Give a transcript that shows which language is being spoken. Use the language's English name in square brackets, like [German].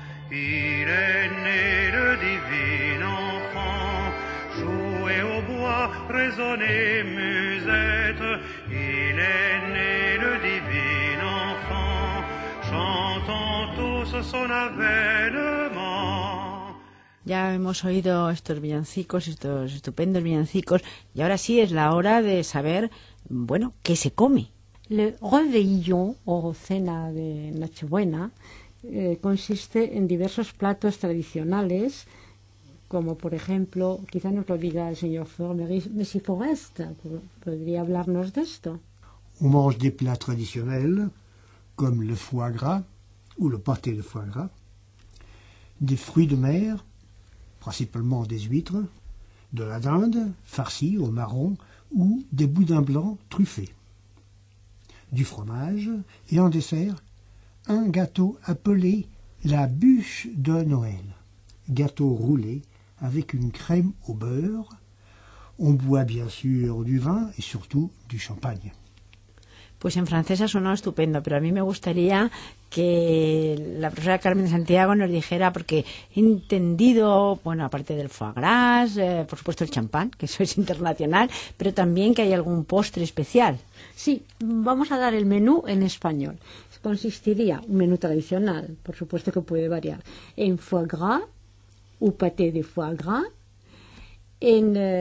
[French] Il est né le divin enfant, jouer au bois, résonner musette. Il est né le divin enfant, chantons tous son avènement. [Spanish] Ya hemos oído estos villancicos, estos estupendos villancicos, y ahora sí es la hora de saber, bueno, qué se come. Le réveillon, o cena de Nochebuena, consiste en diversos platos tradicionales, como por ejemplo, quizá nos lo diga el señor Fermery, Monsieur Forest, podría hablarnos de esto. [French] On mange des plats traditionnels, comme le foie gras, ou le pâté de foie gras, des fruits de mer, principalement des huîtres, de la dinde, farcie au marron, ou des boudins blancs truffés. Du fromage, et en dessert, un gâteau appelé la bûche de Noël. Gâteau roulé avec une crème au beurre. On boit bien sûr du vin et surtout du champagne. [Spanish] Pues en francés ha sonado estupendo, pero a mí me gustaría que la profesora Carmen de Santiago nos dijera, porque he entendido, bueno, aparte del foie gras, por supuesto el champán, que eso es internacional, pero también que hay algún postre especial. Sí, vamos a dar el menú en español. Consistiría, un menú tradicional, por supuesto que puede variar, en foie gras, [French] ou pâté de foie gras, [Spanish] en